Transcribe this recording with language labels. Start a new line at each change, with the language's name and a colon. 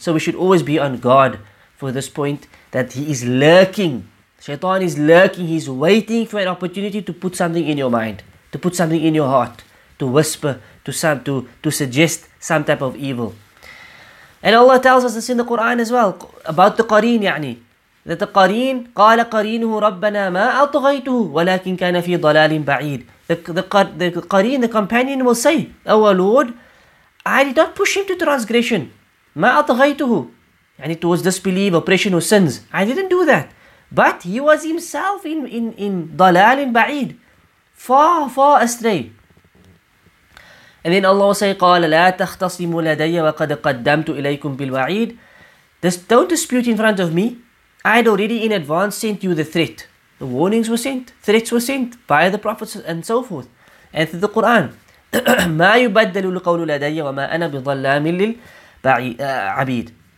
English: So we should always be on guard for this point, that he is lurking. Shaitan is lurking, he's waiting for an opportunity to put something in your mind, to put something in your heart, to whisper, to suggest some type of evil. And Allah tells us this in the Quran as well, about the qareen, yani. That the qareen,
Arabic: قَالَ قَرِينُهُ رَبَّنَا مَا أَطْغَيْتُهُ وَلَكِنْ كَانَ فِي ضَلَالٍ بَعِيدٍ.
English: The qareen, the companion, will say, Our Lord, I did not push him to transgression.
Arabic: مَا أَطْغَيْتُهُ,
English: yani, towards disbelief, oppression or sins. I didn't do that. But he was himself in
Arabic: ضَلَالٍ بَعِيدٍ,
English: far astray. And then Allah will say,
Arabic: قَالَ لَا تَخْتَصِمُ لَدَيَّ وَقَدْ قَدَّمْتُ إِلَيْكُمْ بِالْوَعِيدِ.
English: Don't dispute in front of me. I had already in advance sent you the threat. The warnings were sent. Threats were sent by the prophets and so forth. And through the Quran.
Arabic: مَا يُبَدَّلُ الْقَوْلُ لَدَيَّ وَمَا أَنَا بِظَلَّامٍ لِلْعَبِيدِ.